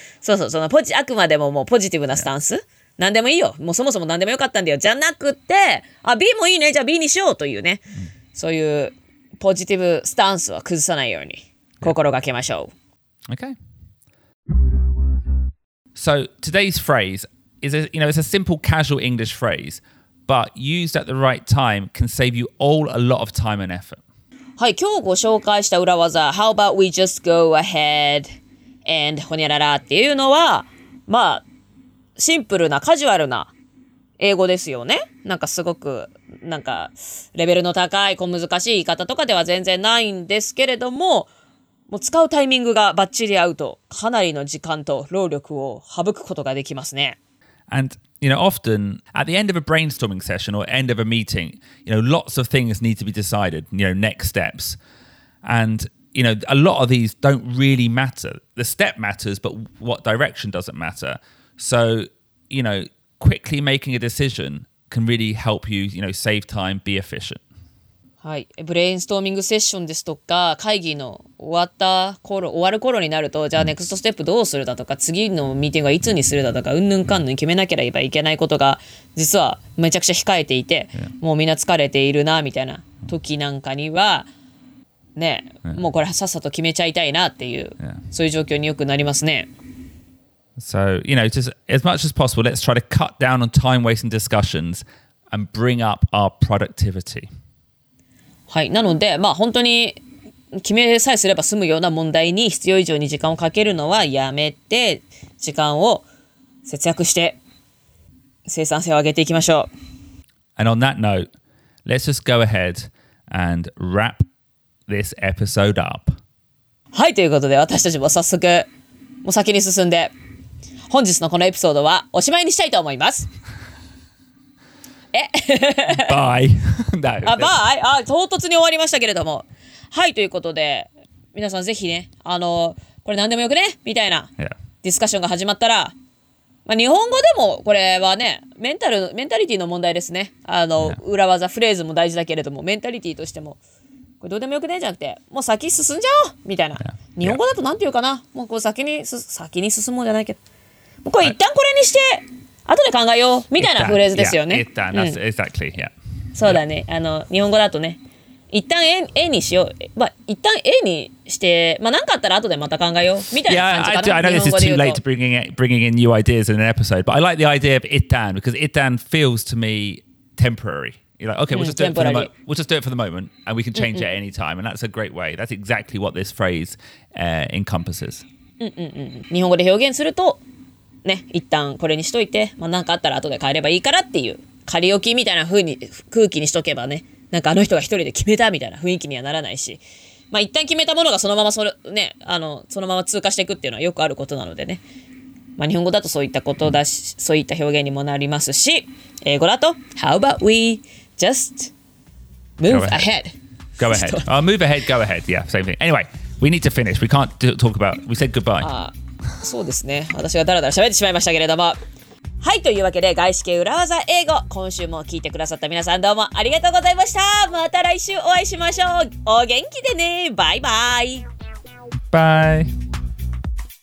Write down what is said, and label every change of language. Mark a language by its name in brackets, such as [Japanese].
[Japanese] そうそう、そのポジ、あくまでももうポジティブなスタンス。 Yeah. 何でもいいよ。もうそもそも何でもよかったんだよ。じゃなくて、あ、B もいいね。じゃあ B にしようというね。そういうポジティブスタンスは崩さないように心がけましょう。 [English] Okay. So today's phrase is a, you know, it's a simple casual English phrase, but used at the right time can save you all a lot of time and effort. [Japanese] はい、今日ご紹介した裏技、 [English] How about we just go ahead and [Japanese] ほにゃららっていうのは、まあ、シンプルなカジュアルな英語ですよね。なんかすごくなんかレベルの高い小難しい言い方とかでは全然ないんですけれど もう使うタイミングがバッチリ合うとかなりの時間と労力を省くことができますね。 [English] And you know often at the end of a brainstorming session or end of a meeting you know lots of things need to be decided you know next steps and you know a lot of these don't really matter. The step matters but what direction doesn't matterSo, you know, quickly making a decision can really help you, you know, save time, be efficient. [Japanese] はい、ブレインストーミングセッションですとか会議の終わった頃、終わる頃になると、じゃあネクストステップどうするだとか、次のミーティングはいつにするだとか、うんぬんかんぬん決めなければいけないことが実はめちゃくちゃ控えていて、もうみんな疲れているなみたいな時なんかには、ね、もうこれさっさと決めちゃいたいなっていう、そういう状況によくなりますね。 [English] So, you know, just as much as possible, let's try to cut down on time-wasting discussions and bring up our productivity. [Japanese] はい、なので、まあ本当に決めさえすれば済むような問題に必要以上に時間をかけるのはやめて、時間を節約して生産性を上げていきましょう。 [English] And on that note, let's just go ahead and wrap this episode up. [Japanese] はい、ということで私たちも早速、もう先に進んで、本日のこのエピソードはおしまいにしたいと思います。え、 [English] バイ。あ、バイ。 [Japanese] あ、唐突に終わりましたけれども、はい、ということで皆さんぜひね、あのこれ何でもよくねみたいなディスカッションが始まったら、まあ、日本語でもこれはね、メンタリティの問題ですね。あの、yeah. 裏技フレーズも大事だけれども、メンタリティとしても。これどうでもよくねじゃなくて、もう先進んじゃおうみたいな。 [English] Yeah. [Japanese] 日本語だとなんていうかな、もうこう先に進もうじゃないけど、もうこれ一旦これにして、後で考えようみたいなフレーズですよね。 [English] 一旦、yeah. That's exactly, yeah. [Japanese] そうだね。あの日本語だとね、一旦 A にしよう、まあ一旦 A にして、まあ何かあったら後でまた考えようみたいな感じかな。 [English] Yeah, I know this is too late to bringing in new ideas in an episode, but I like the idea of 一旦 because 一旦 feels to me temporary. You're like, okay, we'll just do it for the moment and we can change it at any time. And that's a great way. That's exactly what this phrase encompasses. [Japanese] 日本語で表現すると、ね、一旦これにしといて、まあ、なんかあったら後で変えればいいからっていう、仮置きみたいな風に空気にしとけばね、なんかあの人が一人で決めたみたいな雰囲気にはならないし、まあ、一旦決めたものがそのままね、あのそのまま通過していくっていうのはよくあることなのでね。まあ、日本語だとそういったことだし、そういった表現にもなりますし、英語だと、 [English] How about we just move ahead? Go ahead. Go ahead. Move ahead, go ahead. Yeah, same thing. Anyway, we need to finish. We can't talk about, we said goodbye. [Japanese] そうですね。私がだらだら喋ってしまいましたけれども。はい、というわけで、外資系裏技英語、今週も聞いてくださった皆さんどうもありがとうございました。また来週お会いしましょう。お元気でね。バイバイ。 [English] バイ。